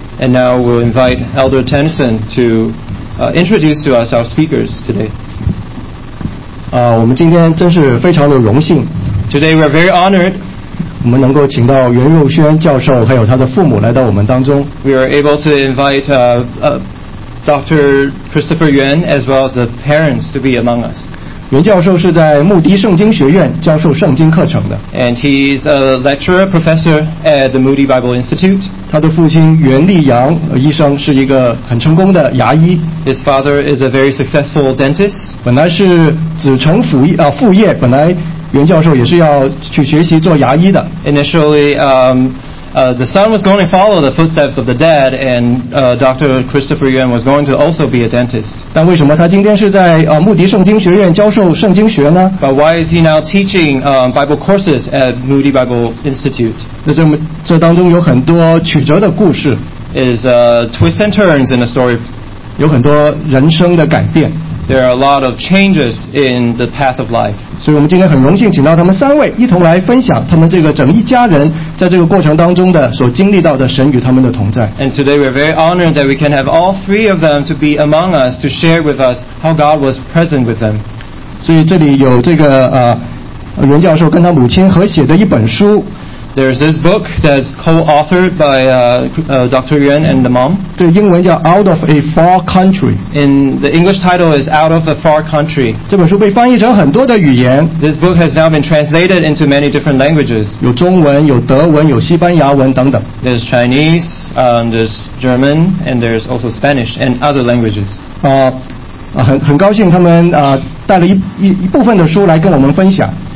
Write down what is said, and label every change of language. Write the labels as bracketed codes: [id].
[en] And now we'll invite Elder Tennyson to introduce to us our speakers today. [zh] 我们今天真是非常的荣幸。 [en] Today we're very honored. [zh] 我们能够请到袁佑轩教授还有他的父母来到我们当中。 [en] We are able to invite Dr. Christopher Yuan as well as the parents to be among us. [zh] 袁教授是在牧笛圣经学院教授圣经课程的。 [en] And he's a lecturer professor at the Moody Bible Institute. [zh] 他的父亲袁立阳医生是一个很成功的牙医。 [en] His father is a very successful dentist. [zh] 本来是子承父业，父业本来袁教授也是要去学习做牙医的。 [en] Initially, the son was going to follow the footsteps of the dad, and Dr. Christopher Yuan was going to also be a dentist. [zh] 但为什么他今天是在牧笛圣经学院教授圣经学呢？ [en] But why is he now teaching Bible courses at Moody Bible Institute? [zh] 这当中有很多曲折的故事。 [en] Is twists and turns in the story. [zh] 有很多人生的改变。 [en] There are a lot of changes in the path of life. [zh] 所以我们今天很荣幸请到他们三位一同来分享他们这个整一家人在这个过程当中的所经历到的神与他们的同在。 [en] And today we are very honored that we can have all three of them to be among us to share with us how God was present with them. [zh] 所以这里有这个袁教授跟他母亲合写的一本书。 [en] There's this book that's co-authored by Dr. Yuan and the mom. [zh] 这英文叫 Out of a Far Country. [en] And the English title is Out of a Far Country. [zh] 这本书被翻译成很多的语言。 [en] This book has now been translated into many different languages. [zh] 有中文，有德文，有西班牙文等等。 [en] There's Chinese, there's German, and there's also Spanish and other languages. [zh] 很高兴他们带了一部分的书来跟我们分享。